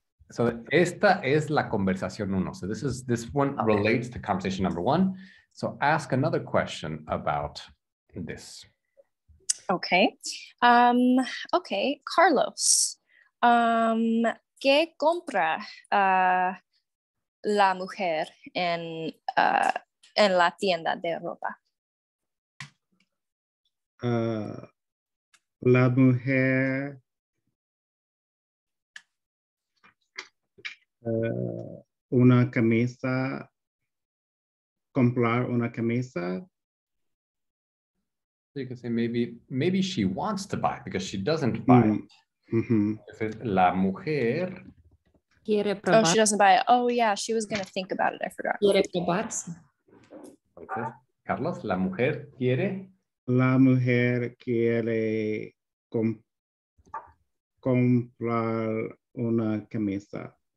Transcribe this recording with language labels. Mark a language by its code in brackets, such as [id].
[es] So, esta es la conversación uno. [en] So, this one okay. Relates to conversation number one. So, ask another question about this. [es] Okay. Okay, Carlos. ¿Qué compra? La mujer en la tienda de ropa. La mujer una camisa, comprar una camisa. [en] So you can say maybe she wants to buy because she doesn't buy. Mm-hmm. If it, [es] la mujer. [en] Oh, she doesn't buy it. Oh, yeah, she was going to think about it. I forgot. [es] ¿Quiere probarse? Entonces, Carlos, ¿la mujer quiere? La mujer quiere comprar una camisa.